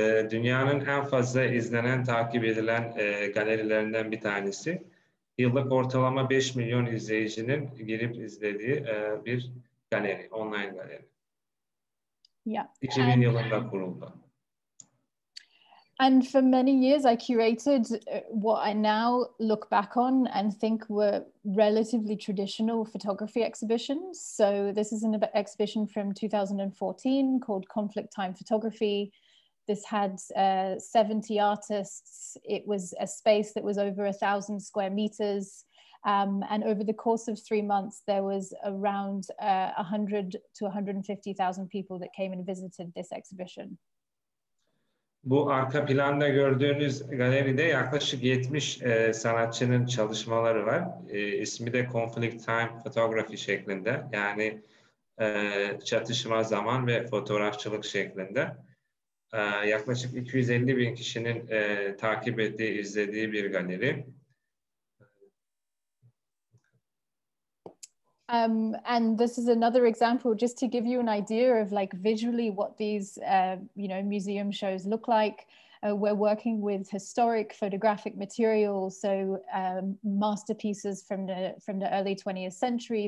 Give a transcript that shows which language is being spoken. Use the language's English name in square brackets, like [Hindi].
[Turkish] Dünyanın en fazla izlenen, takip edilen galerilerinden bir tanesi. Yıllık ortalama 5 milyon izleyicinin girip izlediği bir galeri, online galeri. Yeah. 2000 yılında kuruldu. [English] And for many years, I curated what I now look back on and think were relatively traditional photography exhibitions. So this is an exhibition from 2014 called Conflict Time Photography. This had 70 artists. It was a space that was over 1,000 square meters. And over the course of 3 months, there was around 100 to 150,000 people that came and visited this exhibition. [Turkish] Bu arka planda gördüğünüz galeride yaklaşık 70 sanatçının çalışmaları var. İsmi de Conflict Time Photography şeklinde. Yani çatışma zaman ve fotoğrafçılık şeklinde. Yaklaşık 250 bin kişinin takip ettiği, izlediği bir galeri. [English] And this is another example, just to give you an idea of like visually what these, museum shows look like. We're working with historic photographic material, so masterpieces from the early 20th century.